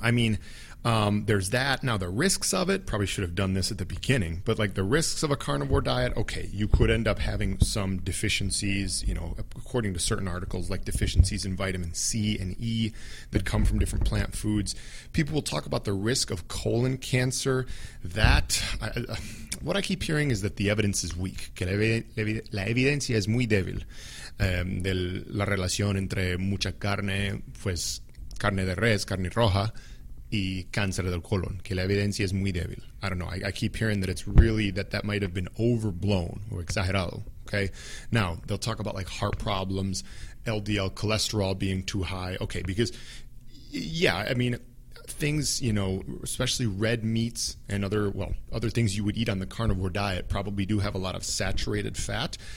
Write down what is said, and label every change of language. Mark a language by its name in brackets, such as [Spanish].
[English] I mean, there's that. Now, the risks of it, probably should have done this at the beginning, but like the risks of a carnivore diet, okay, you could end up having some deficiencies, you know, according to certain articles, like deficiencies in vitamin C and E that come from different plant foods. People will talk about the risk of colon cancer. That, what I keep hearing is that the evidence is weak. [Spanish] Que la evidencia es muy débil. De la relación entre mucha carne, pues, carne de res, carne roja, y cáncer del colon, que la evidencia es muy débil. [English] I don't know. I keep hearing that it's really, that might have been overblown or exagerado, okay? Now, they'll talk about like heart problems, LDL cholesterol being too high. Okay, because, yeah, I mean, things, you know, especially red meats and other, well, other things you would eat on the carnivore diet probably do have a lot of saturated fat.